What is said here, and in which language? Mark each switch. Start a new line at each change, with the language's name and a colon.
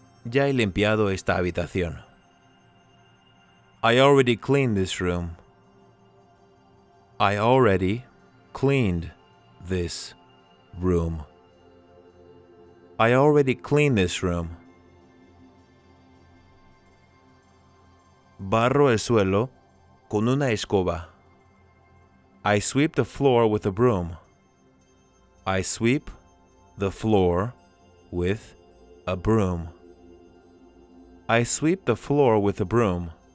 Spanish: Ya he limpiado esta habitación.
English: I already cleaned this room. I already cleaned this room. I already cleaned this room.
Spanish: Barro el suelo con una escoba.
English: I sweep the floor with a broom. I sweep the floor with a broom. I sweep the floor with a broom.